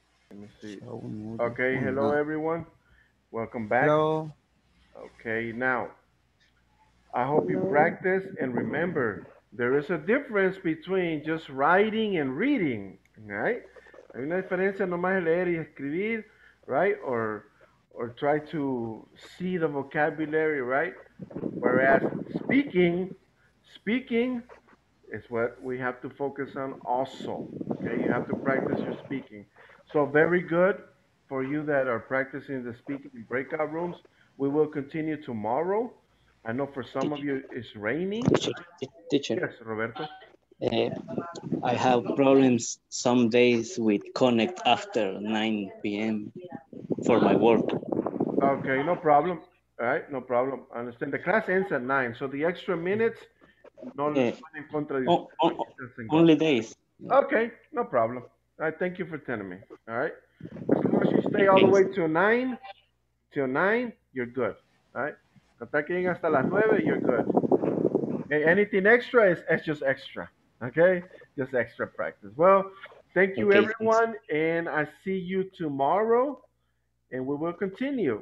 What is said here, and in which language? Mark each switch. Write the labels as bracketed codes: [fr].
[en] Let me see. Okay, hello everyone. Welcome back. Hello. Okay, now, I hope you practice and remember, there is a difference between just writing and reading, right? [es] Hay una diferencia nomás leer y escribir, right? [en] Or try to see the vocabulary, right? Whereas speaking is what we have to focus on also. Okay, you have to practice your speaking. So very good for you that are practicing the speaking in breakout rooms. We will continue tomorrow. I know for some of you it's raining. Teacher. Yes, Roberto. I have problems some days with connect after 9 p.m. for my work. Okay, no problem. All right, no problem. I understand. The class ends at 9, so the extra minutes, only days. Okay, no problem. All right, thank you for telling me. All right, as long as you stay all the way till 9, you're good. [es] All right, hasta que llegue hasta las 9, [en] you're good. Okay, anything extra is just extra. Okay, just extra practice. Well, thank you, everyone, and I see you tomorrow, and we will continue.